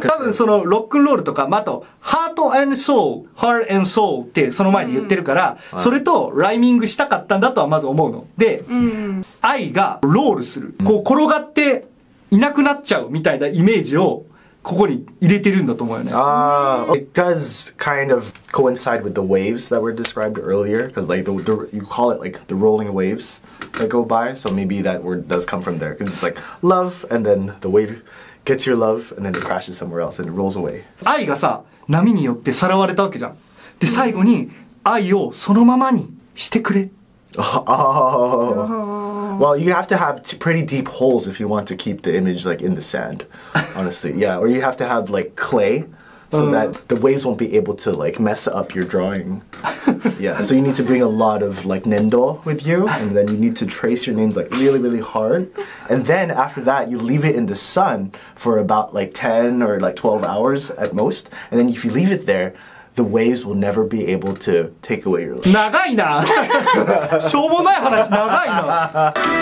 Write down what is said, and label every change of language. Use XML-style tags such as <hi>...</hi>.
<ja>多分そのロックンロールとか、あと Heart and Soul、 Heart and Soul ってその前に言ってるから、うん、それとライミングしたかったんだとはまず思うので、うん、愛がロールする、こう転がっていなくなっちゃうみたいなイメージをここに入れてるんだと思うよね。</ja> <en>It does kind of coincide with the waves that were described earlier, because like the you call it like the rolling waves that go by, so maybe that word does come from there, because it's like love and then the wave gets your love and then it crashes somewhere else and it rolls away.</en> <ja>愛がさ、波によってさらわれたわけじゃん。で、最後に愛をそのままにしてくれ。</ja> <en>Well, you have to have pretty deep holes if you want to keep the image like in the sand, honestly. Yeah, or you have to have like clay so that the waves won't be able to like mess up your drawing. Yeah, so you need to bring a lot of like nendo with you, and then you need to trace your names like really, really hard. And then after that, you leave it in the sun for about like 10 or like 12 hours at most. And then if you leave it there,The waves will never be able to take away your life.</en> <ja>長いな。しょうもない話長いな。</ja>